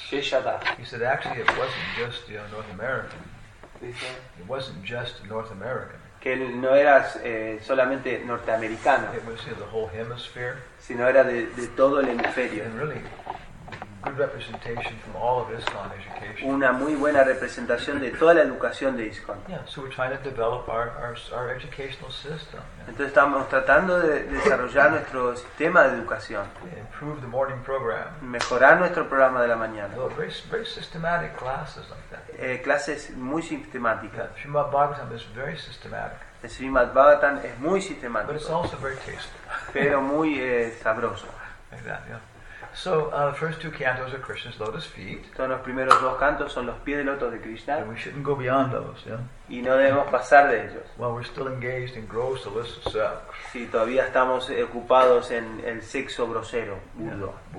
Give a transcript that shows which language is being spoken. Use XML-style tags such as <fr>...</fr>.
<en>He said, actually, it wasn't just the North American. It wasn't just North American.</en> <es>Que él no era solamente norteamericano.</es> <en>It was the whole hemisphere.</en> <es>Sino era de todo el hemisferio.</es> <en>And really, good representation from all of ISKCON education.</en> <es>Una muy buena representación de toda la educación de ISKCON.</es> <en>Yeah, so we're trying to develop our educational system.</en> <es>Entonces estamos tratando de desarrollar nuestro sistema de educación.</es> <en>Improve the morning program.</en> <es>Mejorar nuestro programa de la mañana.</es> <en>So very systematic classes like that.</en> <es>Clases muy sistemáticas.</es> <en>Yeah, Srimad Bhagavatam is very systematic.</en> <es>El Srimad Bhagavatam es muy sistemático.</es> <en>But it's also very tasty.</en> <es>Pero muy sabroso.</es> <en>Exactly. Yeah. So the first two cantos are Krishna's lotus feet.</en> <es>Son los primeros dos cantos son los pies del loto de Krishna.</es> <en>And we shouldn't go beyond those, yeah.</en> <es>Y no debemos pasar de ellos.</es> <en>While we're still engaged in gross illicit sex.</en> <es>Sí, todavía estamos ocupados en el sexo grosero, burdo.</es>